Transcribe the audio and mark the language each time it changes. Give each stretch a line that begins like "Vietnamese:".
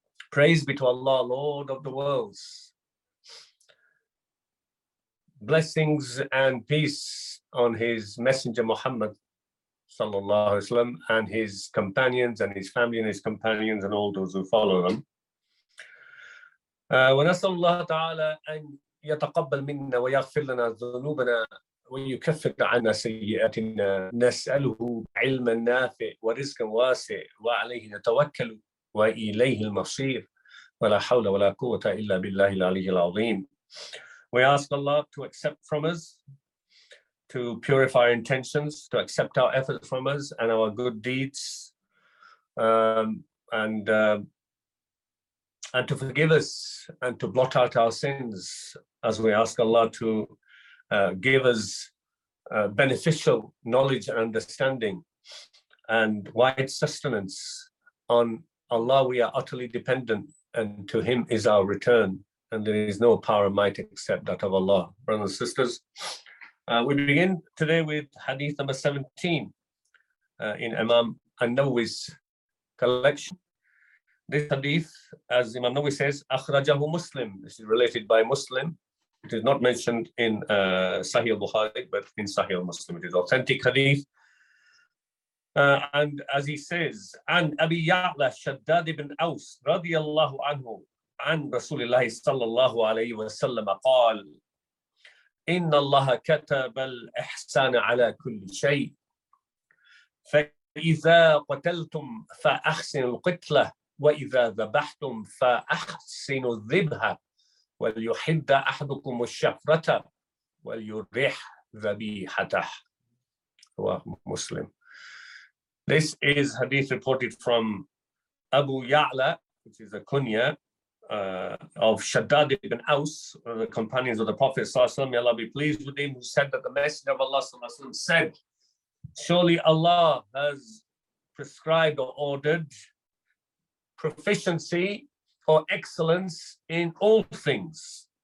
English: Praise be to Allah, Lord of the worlds. Blessings and peace on His Messenger Muhammad sallallahu alayhi wa sallam and his companions and his family and his companions and all those who follow them.
Arabic: ونسأل الله تعالى أن يتقبل منا ويغفر لنا ذنوبنا ويكفر عنا سيئاتنا نسأله علما نافع ورزقا واسع وعليه نتوكل وإليه المصير ولا حول ولا قوة إلا بالله العلي العظيم.
English: We ask Allah to accept from us, to purify our intentions, to accept our efforts from us and our good deeds, and to forgive us and to blot out our sins, as we ask Allah to give us beneficial knowledge and understanding and wide sustenance. On Allah we are utterly dependent, and to Him is our return, and there is no power or might except that of Allah. Brothers and sisters, we begin today with hadith number 17 in Imam An-Nawawi's collection. This hadith, as Imam Nawawi says, أخرجه Muslim. This is related by Muslim. It is not mentioned in Sahih al-Bukhari, but in Sahih al-Muslim. It is authentic hadith. And as he says,
Arabic: عن أبي يعلى شداد بن أوس رضي الله عنه عن رسول الله صلى الله عليه وسلم قال إن الله كتب الإحسان على كل شيء فإذا قتلتم فأحسنوا القتلة وَإِذَا ذَبَحْتُمْ فَأَحْسِنُوا الذِّبْحَ وَلْيُحِدَّ أَحْدُكُمُ الشَّفْرَةَ وَلْيُرِّحْ ذَبِيحَتَهُ. Wa Muslim.
English: This is hadith reported from Abu Ya'la, which is a kunya of Shaddad ibn Aus, one of the companions of the Prophet sallallahu alaihi wasallam, may Allah be pleased with him, who said that the Messenger of Allah sallallahu alaihi wasallam said, surely Allah has prescribed or ordered proficiency or excellence in all things.